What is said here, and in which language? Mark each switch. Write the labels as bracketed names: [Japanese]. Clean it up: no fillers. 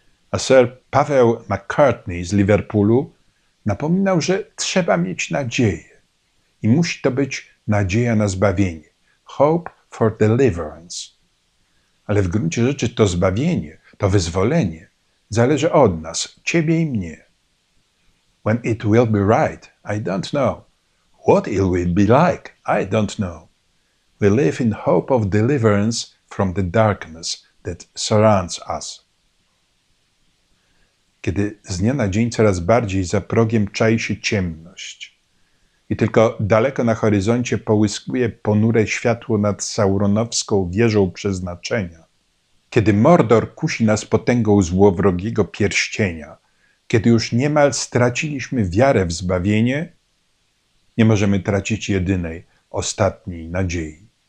[Polish] A Sir Paweł McCartney z Liverpoolu napominał, że trzeba mieć nadzieję i musi to być nadzieja na zbawienie. [English] Hope for deliverance. [Polish] Ale w gruncie rzeczy to zbawienie, to wyzwolenie zależy od nas, ciebie i mnie. [English] When it will be right, I don't know. What it will be like, I don't know. We live in hope of deliverance from the darkness that surrounds us. [Polish] Kiedy z dnia na dzień coraz bardziej za progiem czai się ciemność i tylko daleko na horyzoncie połyskuje ponure światło nad sauronowską wieżą przeznaczenia, kiedy Mordor kusi nas potęgą złowrogiego pierścienia, kiedy już niemal straciliśmy wiarę w zbawienie, nie możemy tracić jedynej, ostatniej nadziei.